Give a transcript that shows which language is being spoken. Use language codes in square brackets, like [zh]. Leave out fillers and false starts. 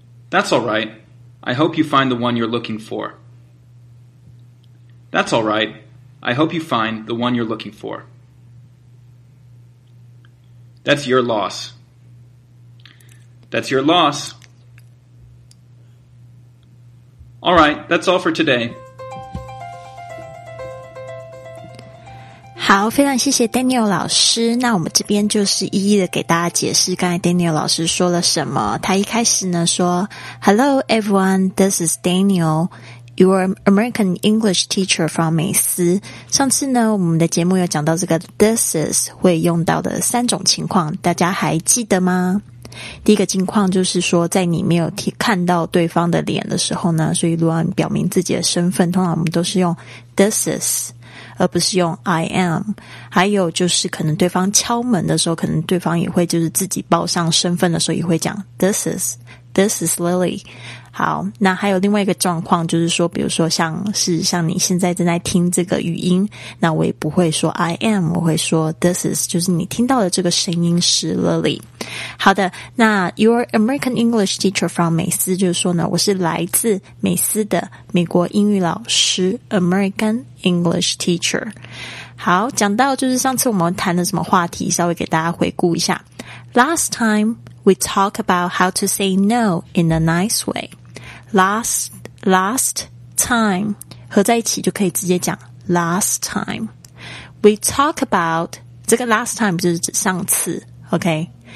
[en] That's all right. I hope you find the one you're looking for. That's all right. I hope you find the one you're looking for. That's your loss. That's your loss. All right, that's all for today. [zh] 好，非常谢谢 Daniel 老师。那我们这边就是一一的给大家解释刚才 Daniel 老师说了什么。他一开始呢说 [en] Hello everyone, this is Daniel. Your American English teacher from 美思。 [zh] 上次呢我们的节目有讲到这个 this is 会用到的三种情况，大家还记得吗？第一个情况就是说在你没有看到对方的脸的时候呢，所以如果你表明自己的身份，通常我们都是用 this is 而不是用 I am。还有就是可能对方敲门的时候，可能对方也会就是自己报上身份的时候也会讲 [en] this is Lily。 [zh] 好，那还有另外一个状况，就是说比如说像你现在正在听这个语音，那我也不会说 I am, 我会说 this is, 就是你听到的这个声音是 Lily。好的，那 [en] Your American English teacher from [zh] 美思，就是说呢我是来自美思的美国英语老师 American English teacher。好，讲到就是上次我们谈的什么话题，稍微给大家回顾一下。 [en] Last timeWe talk about how to say no in a nice way. Last time, [zh] 合在一起就可以直接讲 last time. [en] We talk about, 这个 last time [zh] 就是指上次 [en] okay?